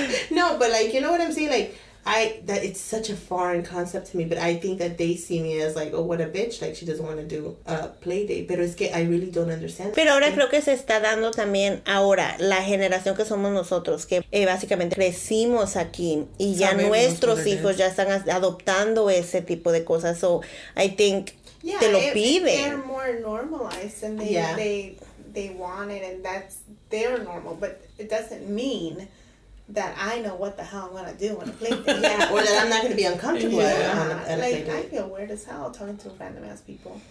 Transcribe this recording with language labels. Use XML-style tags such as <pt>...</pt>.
<en>No, but like, you know what I'm saying? Like, that it's such a foreign concept to me, but I think that they see me as like, oh, what a bitch, like she doesn't want to do a play date.</en> <es>Pero es que</es> <en>I really don't understand.</en> <es>Pero ahora creo que se está dando también ahora la generación que somos nosotros, que básicamente crecimos aquí y ya sabemos, nuestros hijos ya están adoptando ese tipo de cosas.</es> <en>So I think, yeah,</en> <es>te lo piden.</es> <en>They're more normalized and they want it and that's their normal, but it doesn't mean that I know what the hell I'm gonna do on a plane. Yeah. Or that I'm not gonna be uncomfortable. Yeah. I feel weird as hell talking to random ass people.</en>